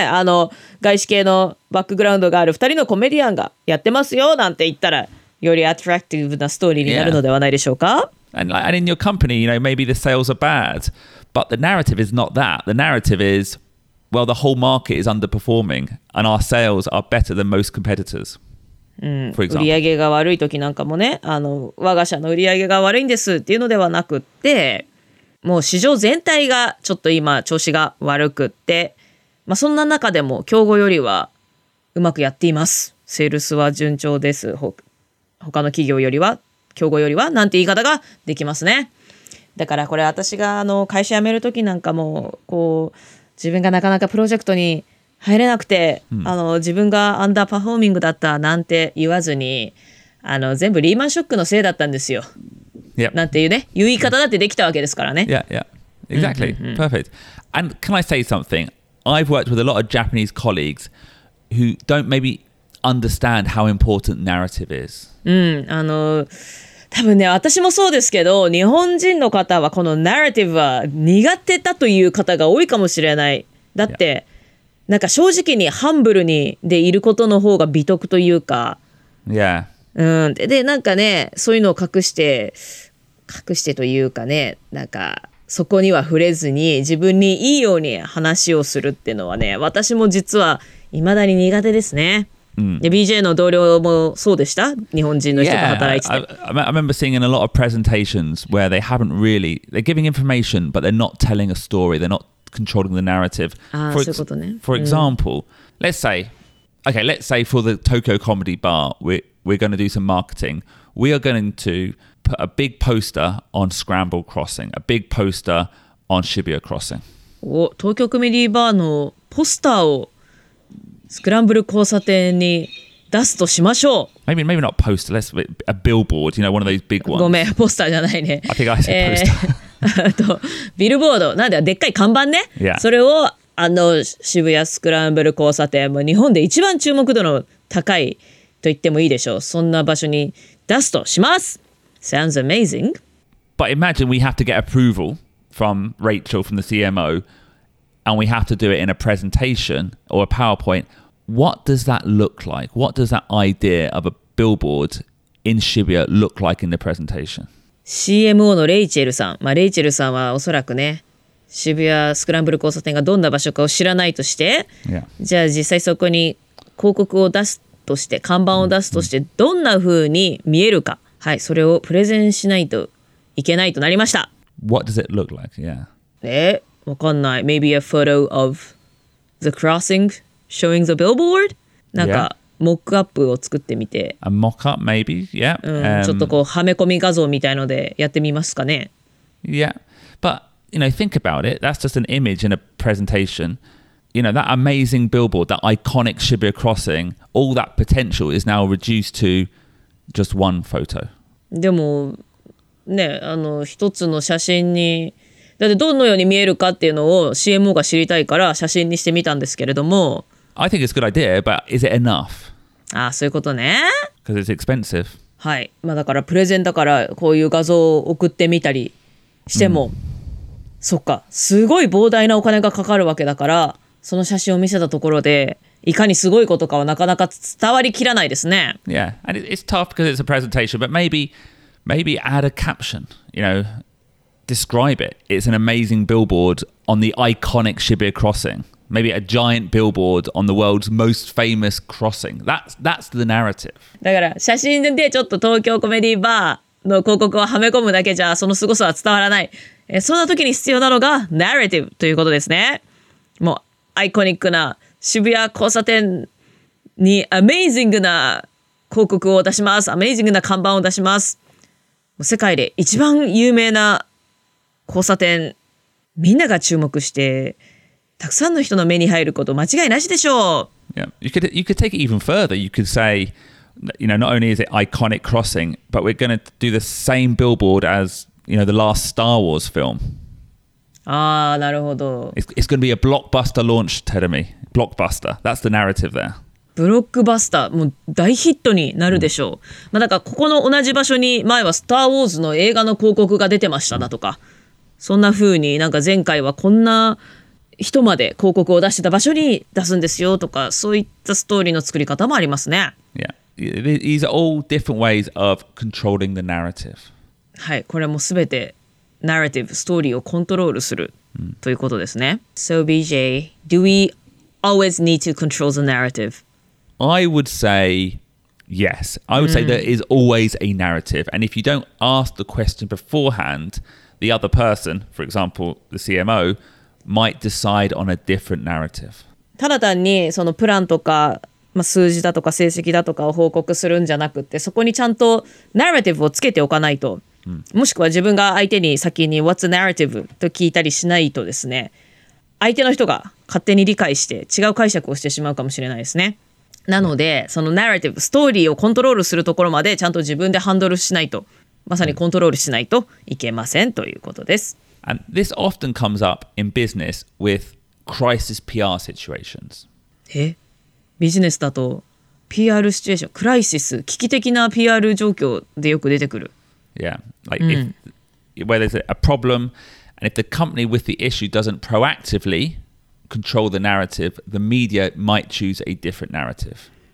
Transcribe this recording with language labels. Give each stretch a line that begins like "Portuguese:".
Japanese: あの、外資系のバックグラウンドがある二人のコメディアンがやってますよなんて言ったら、よりアトラクティブなストーリーになるのではないでしょうか。
English: Yeah. And, like, and in your company, you know, maybe the sales are bad, but the narrative is not that. The narrative is, well, the whole market is underperforming and our sales are better than most competitors. For example.
Japanese: 売上が悪い時なんかもね、我が社の売上が悪いんですっていうのではなくって、もう市場全体がちょっと今調子が悪くって、まあ、そんな中でも競合よりはうまくやっています。セールスは順調です。他の企業よりは、競合よりは、なんて言い方ができますね。だからこれ私が会社辞める時なんかも、こう、自分がなかなかプロジェクトに入れなくて、自分がアンダーパフォーミングだったなんて言わずに、全部リーマンショックのせいだったんですよ。
English: Yep.
Japanese: なんていうね、言い方だってできたわけですからね。
English: Yeah, yeah. Exactly. Perfect. And can I say something? I've worked with a lot of Japanese colleagues who don't maybe understand how important narrative is.
Japanese: うん、多分ね、私もそうですけど、日本人の方はこのナラティブは苦手だという方が多いかもしれない。だって、yeah. なんか正直にハンブルにでいることの方が美徳というか、
English: yeah.
Japanese: うん、でなんかねそういうのを隠してというかねなんかそこには触れずに自分にいいように話をするっていうのはね私も実は未だに苦手ですね、 mm. で BJ の同僚もそうでした日本人の人が働いてて、
English: yeah. I remember seeing in a lot of presentations where they haven't really they're giving information but they're not telling a story they're notcontrolling the narrative. For example,、let's say, okay, let's say for the Tokyo Comedy Bar, we're going to do some marketing. We are going to put a big poster on Scramble Crossing, a big poster on Shibuya Crossing.
Japanese: Oh, Tokyo Comedy Bar のポスターをスクランブル交差点に出すとしましょう。
English: Maybe not poster, let's say a billboard, you know, one of those big ones.
Japanese: ごめん、ポスターじゃないね。
English: I think I said poster.
Japanese: ビルボードなんだよでっかい看板ね、
English: yeah.
Japanese: それを渋谷スクランブル交差点も日本で一番注目度の高いと言ってもいいでしょうそんな場所に出すとします
English: Sounds amazing But imagine we have to get approval from Rachel from the CMO and we have to do it in a presentation or a PowerPoint What does that look like? What does that idea of a billboard in Shibuya look like in the presentation
Japanese: CMO のレイチェルさん、まあ、レイチェルさんはおそらくね渋谷スクランブル交差点がどんな場所かを知らないとして、
English: yeah.
Japanese: じゃあ実際そこに広告を出すとして看板を出すとしてどんな風に見えるか、mm-hmm. はい、それをプレゼンしないといけないとなりました
English: What does it look like? Yeah.
Japanese: わかんない
English: Maybe a photo of the crossing showing the billboard?
Japanese: なんか、
English: yeah.
Japanese: モックアップを作ってみて。
English: A mock-up, maybe? Yeah.、
Japanese: ちょっとこう、はめ込み画像みたいのでやってみますかね。
English: Yeah. But, you know, think about it. That's just an image in a presentation. You know, that amazing billboard, that iconic Shibuya Crossing, all that potential is now reduced to just one photo.
Japanese: でも、ね、一つの写真に、だってどのように見えるかっていうのを CMO が知りたいから写真にしてみたんですけれども、
English: I think it's a good idea, but is it enough?
Japanese: ああ、そういうことね。
English: Because it's expensive.
Japanese: はい。まあだからプレゼンだからこういう画像を送ってみたりしても、そっか、すごい膨大なお金がかかるわけだから、その写真を見せたところで、いかにすごいことかはなかなか伝わりきらないですね。
English: Yeah, and it's tough because it's a presentation, but maybe add a caption, you know, describe it. It's an amazing billboard on the iconic Shibuya Crossing. Maybe a giant billboard on the world's most famous crossing. That's the narrative.
Japanese: だから写真でちょっと東京コメディバーの広告をはめ込むだけじゃその凄さは伝わらない。そんな時に必要なのがナラティブということですね。もうアイコニックな渋谷交差点にアメイジングな広告を出します。アメイジングな看板を出します。世界で一番有名な交差点、みんなが注目して、たくさんの人の目に入ること間違いなしでしょう。
English: Yeah. You could take it even further. You could say, you know, not only is it iconic crossing, but we're going to do the same billboard as, you know, the last Star Wars film.
Japanese: ああ、なるほど。
English: It's going to be a blockbuster launch, Terumi. Blockbuster. That's the narrative there.
Japanese: ブロックバスター、もう大ヒットになるでしょう。まあ、だからここの同じ場所に前はスター・ウォーズの映画の広告が出てましただとか、そんな風になんか前回はこんな人まで広告を出してた場所に出すんですよとかそういったストーリーの作り方もありますね。
English: Yeah. These are all different ways of controlling the narrative.
Japanese: はい、これも全てnarrative, story をコントロールするということですね。
English: So BJ, do we always need to control the narrative? I would say yes. I would say there is always a narrative. And if you don't ask the question beforehand, the other person, for example, the CMO, might decide on a different narrative.
Japanese: ただ単にそのプランとか、まあ、数字だとか成績だとかを報告するんじゃなくて、そこにちゃんとナラティブをつけておかないと、もしくは自分が相手に先に
English: What's the narrative?
Japanese: と聞いたりしないとですね、相手の人が勝手に理解して違う解釈をしてしまうかもしれないですね。なのでそのナラティブ、ストーリーをコントロールするところまでちゃんと自分でハンドルしないと、まさにコントロールしないといけませんということです。
English: And this often comes up in business withcrisis PR situations.
Japanese: え、ビジネスだと PR シチュエーション、クライシス、危機的な PR 状況でよく出てくる。
English: Yeah, like if, where there's a problem and if the company with the issue doesn't proactively control the narrative, the media might choose a different narrative.